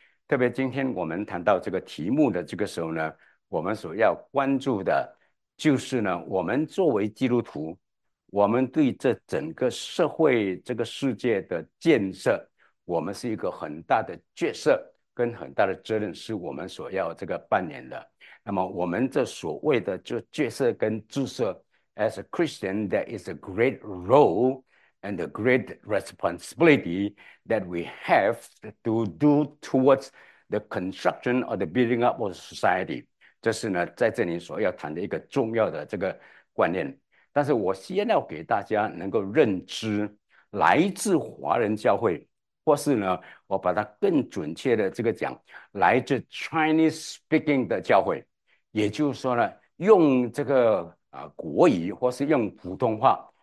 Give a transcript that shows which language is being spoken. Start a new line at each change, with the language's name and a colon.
Chinese: 特别今天我们谈到这个题目的这个时候呢，我们所要关注的就是呢，我们作为基督徒。我们对这整个社会、这个世界的建设，我们是一个很大的角色跟很大的责任，是我们所要这个扮演的。那么，我们这所谓的这角色跟职责，
English: as a Christian, there is a great role and a great responsibility that we have to do towards the construction or the building up of society。
Chinese: 这是呢，在这里所要谈的一个重要的这个观念。但是我先要给大家能够认知，来自华人教会，或是呢，我把它更准确的这个讲，来自 Chinese speaking 的教会，也就是说呢，用这个国语或是用普通话，